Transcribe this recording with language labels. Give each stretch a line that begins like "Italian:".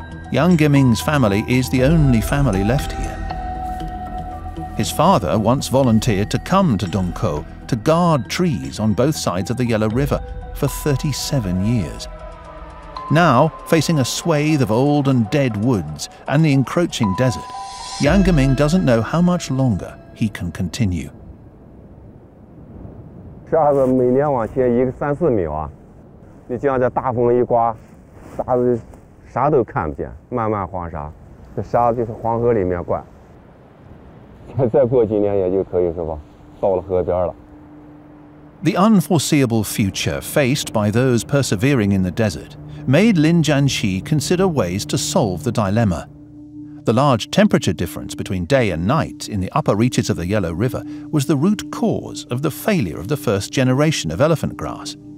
English: Yang Geming's family is the only family left here. His father once volunteered to come to Dunko to guard trees on both sides of the Yellow River for 37 years. Now, facing a swathe of old and dead woods and the encroaching desert, Yang Geming doesn't know how much longer he can continue.
Chinese: 沙子每年往前一个三四米啊，你就像这大风一刮，沙子啥都看不见，漫漫黄沙，这沙子就是黄河里面灌。再过几年也就可以是吧，到了河边了。
English: The unforeseeable future faced by those persevering in the desert made Lin Jianqi consider ways to solve the dilemma. The large temperature difference between day and night in the upper reaches of the Yellow River was the root cause of the failure of the first generation of elephant grass.